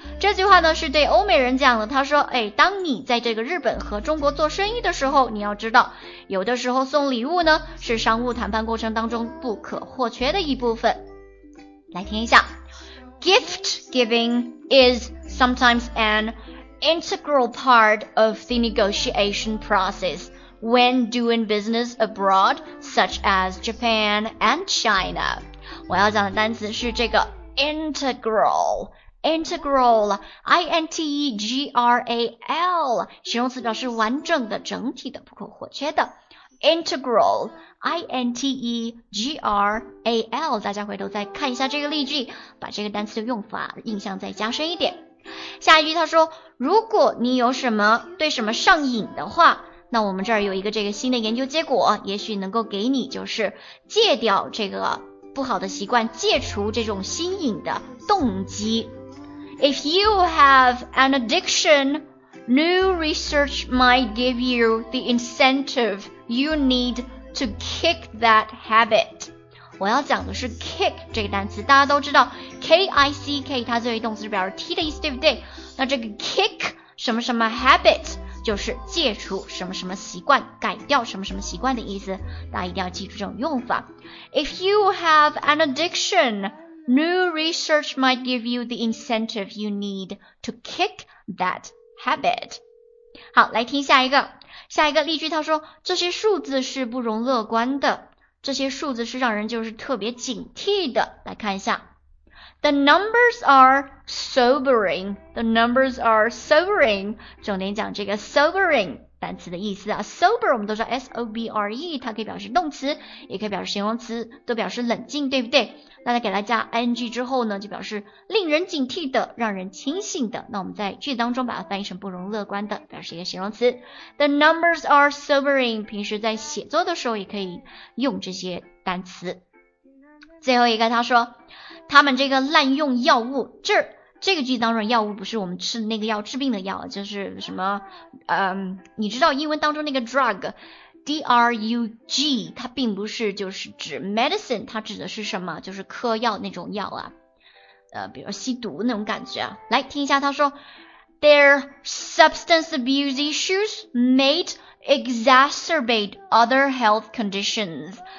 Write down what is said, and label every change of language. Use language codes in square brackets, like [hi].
[zh] 这句话呢是对欧美人讲的，他说，哎，当你在这个日本和中国做生意的时候，你要知道，有的时候送礼物呢是商务谈判过程当中不可或缺的一部分。来听一下。 [en] Gift giving is sometimes an integral part of the negotiation process when doing business abroad, such as Japan and China. [zh] 我要讲的单词是这个 integral。 Integral, I-N-T-E-G-R-A-L, 形容词表示完整的、整体的、不可或缺的。 Integral, I-N-T-E-G-R-A-L, 大家回头再看一下这个例句，把这个单词的用法印象再加深一点。下一句他说，如果你有什么对什么上瘾的话，那我们这儿有一个这个新的研究结果，也许能够给你就是戒掉这个不好的习惯，戒除这种心瘾的动机。 [en] If you have an addiction, new research might give you the incentive you need to kick that habit. [zh] 我要讲的是 kick 这个单词，大家都知道 K-I-C-K 它作为动词表示踢的意思，对不对？那这个 kick 什么什么 habit 就是戒除什么什么习惯，改掉什么什么习惯的意思，大家一定要记住这种用法。 [en] If you have an addiction,New research might give you the incentive you need to kick that habit. [zh] 好，来听下一个。下一个例句他说，这些数字是不容乐观的。这些数字是让人就是特别警惕的。来看一下。 [en] The numbers are sobering. The numbers are sobering. [zh] 重点讲这个 sobering 单词的意思啊。 Sober 我们都知道 S-O-B-R-E, 它可以表示动词，也可以表示形容词，都表示冷静，对不对？那再给它加 ing 之后呢，就表示令人警惕的，让人清醒的。那我们在句当中把它翻译成不容乐观的，表示一个形容词。 [en] The numbers are sobering. [zh] 平时在写作的时候也可以用这些单词。最后一个他说，他们这个滥用药物，这个句当中药物不是我们吃的那个药，治病的药，就是什么，你知道英文当中那个 drug, D-R-U-G, 它并不是就是指 medicine, 它指的是什么，就是嗑药那种药啊，比如吸毒那种感觉啊。来听一下他说， [en] Their substance abuse issues might exacerbate other health conditions.